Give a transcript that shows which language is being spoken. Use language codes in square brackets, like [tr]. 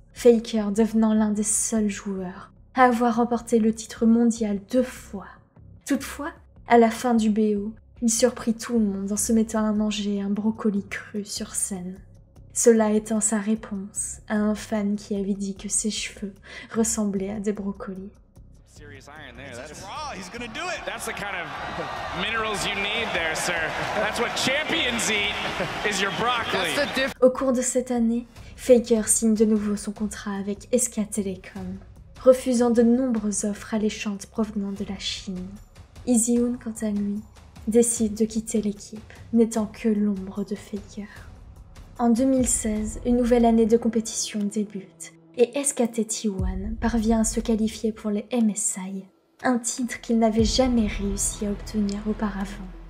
[fr] Faker devenant l'un des seuls joueurs à avoir remporté le titre mondial deux fois. Toutefois, à la fin du BO, il surprit tout le monde en se mettant à manger un brocoli cru sur scène. Cela étant sa réponse à un fan qui avait dit que ses cheveux ressemblaient à des brocolis. [en] Serious iron there. That's raw. He's gonna do it. That's the kind of minerals you need there, sir. That's what champions eat is your broccoli. [fr] Au cours de cette année, Faker signe de nouveau son contrat avec SK Telecom, refusant de nombreuses offres alléchantes provenant de la Chine. Izzy-Woon, quant à lui, décide de quitter l'équipe, n'étant que l'ombre de Faker. En 2016, une nouvelle année de compétition débute, et SKT T1 parvient à se qualifier pour les MSI, un titre qu'il n'avait jamais réussi à obtenir auparavant.